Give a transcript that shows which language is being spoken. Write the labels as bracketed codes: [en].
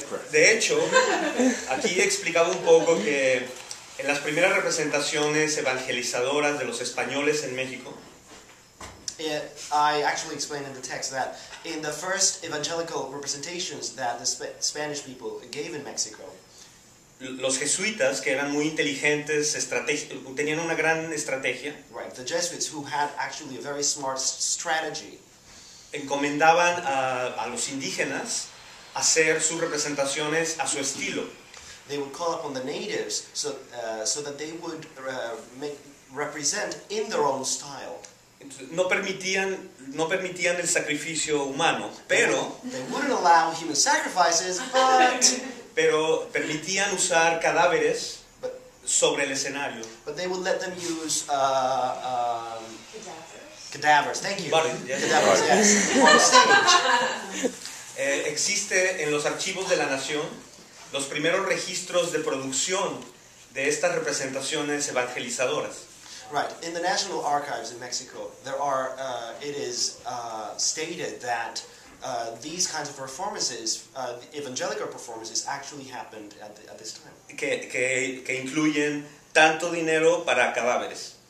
[es] De hecho, aquí he explicado un poco que en las primeras representaciones evangelizadoras de los españoles en México. [en] I actually explained in the text that in the first evangelical representations that the Spanish people gave in Mexico, [es] los jesuitas, que eran muy inteligentes, tenían una gran estrategia. [en] Right, the Jesuits, who had actually a very smart strategy, [es] encomendaban a los indígenas hacer sus representaciones a su estilo. [en] They would call upon the natives so that they would represent in their own style. [es] No permitían el sacrificio humano, pero [en] they wouldn't allow human sacrifices, but [es] pero permitían usar cadáveres sobre el escenario. [en] But they would let them use cadavers. Thank you. Body, yes. Cadavers, yes. On stage. [es] Existe en los archivos de la nación los primeros registros de producción de estas representaciones evangelizadoras. [en] Right, in the National Archives in Mexico, there are, it is stated that these kinds of performances, evangelical performances, actually happened at this time. [es] Que incluyen tanto dinero para cadáveres.